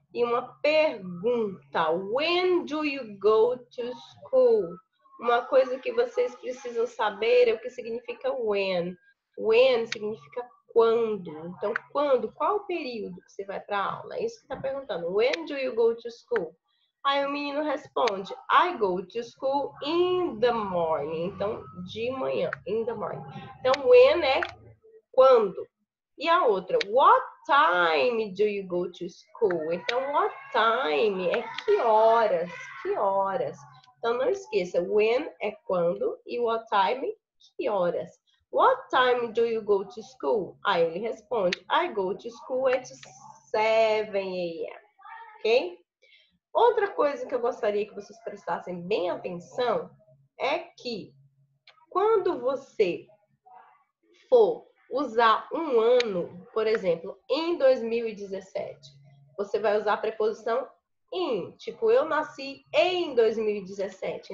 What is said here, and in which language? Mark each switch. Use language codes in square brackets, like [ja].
[pt] E uma pergunta, [en] when do you go to school? [pt] Uma coisa que vocês precisam saber é o que significa when. When significa quando. Então, quando, qual o período que você vai para aula? É isso que está perguntando, [en] when do you go to school? [pt] Aí o menino responde, [en] I go to school in the morning. [pt] Então, de manhã, [en] in the morning. [pt] Então, when é quando. E a outra, [en] what time do you go to school? [pt] Então, what time é que horas, que horas. Então, não esqueça, when é quando e what time, que horas. [en] What time do you go to school? [pt] Aí ele responde, [en] I go to school at 7 a.m. Ok? [pt] Outra coisa que eu gostaria que vocês prestassem bem atenção é que quando você for usar um ano, por exemplo, em 2017. Você vai usar a preposição in. Tipo, eu nasci em 2017.